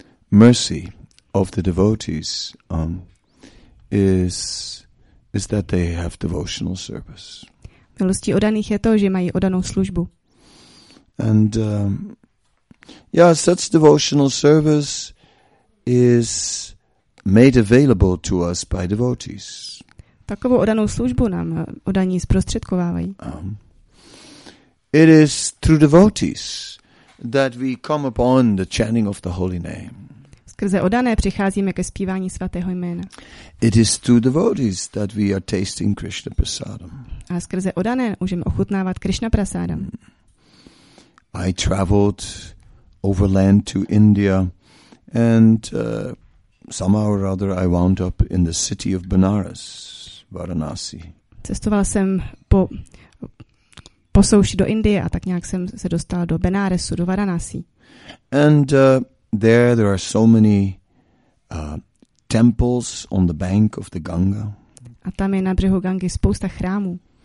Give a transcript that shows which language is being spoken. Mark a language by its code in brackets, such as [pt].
[en] Mercy of the devotees is that they have devotional service. [cs] Milosti odaných je to, že mají odanou službu. [en] And such devotional service is made available to us by devotees. [cs] Takovou odanou službu nám odaní zprostředkovávají. [en] It is through devotees that we come upon the chanting of the holy name. [cs] Skrze odané přicházíme ke zpívání svatého jména. [en] It is through devotees that we are tasting Krishna prasadam. [cs] A skrze odané můžeme ochutnávat Krishna prasadam. [en] I traveled overland to India and somehow or other I wound up in the city of Banaras, Varanasi. [cs] Cestoval jsem po souši do Indie a tak nějak jsem se dostal do Benáresu, do Varanasi. [en] And there are so many temples on the bank of the Ganga. [cs] A tam je na břehu Gangy spousta chrámů.